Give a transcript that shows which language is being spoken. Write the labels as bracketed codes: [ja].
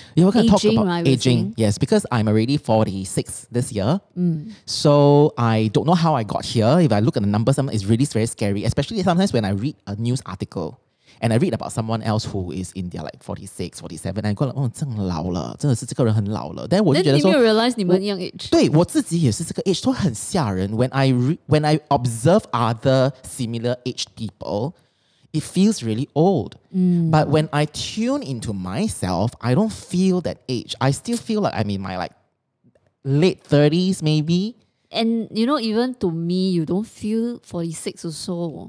[en] Yeah, we're going to talk about aging. Yes, because I'm already 46 this year. So I don't know how I got here. If I look at the numbers, it's really very scary. Especially sometimes when I read a news article and I read about someone else who is in their like 46, 47, and I go like, oh, [zh] 真老了，真的是这个人很老了。 [en] Then [zh] 我就觉得说，你没有 realize 你们一样 age。对，我自己也是这个 age， 都很吓人。 [en] When I observe other similar aged people,it feels really old. But when I tune into myself, I don't feel that age. I still feel like I'm in my like late 30s maybe. And you know, even to me, you don't feel 46 or so.